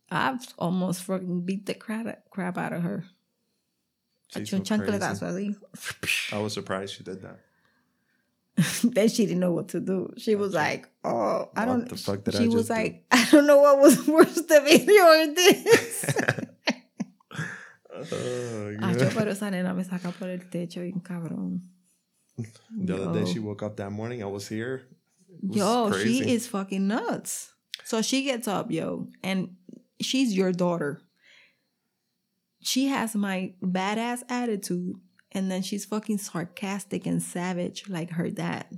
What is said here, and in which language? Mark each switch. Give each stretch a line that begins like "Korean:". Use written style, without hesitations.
English: I've almost fucking beat the crap out of her. She's so crazy. I was surprised she did that. Then she didn't know what to do. She was like, oh, what I don't... What the fuck did she I She was do? Like, I don't know what was worse, the video or this. Oh, yeah.
Spanish: Pero esa nena me saca por el techo y un cabrón.
English: The other day she woke up that morning, I was here. Was yo, crazy. She is fucking nuts. So she gets up, yo, and... She's your daughter. She has my badass attitude. And then she's fucking sarcastic and savage like her dad.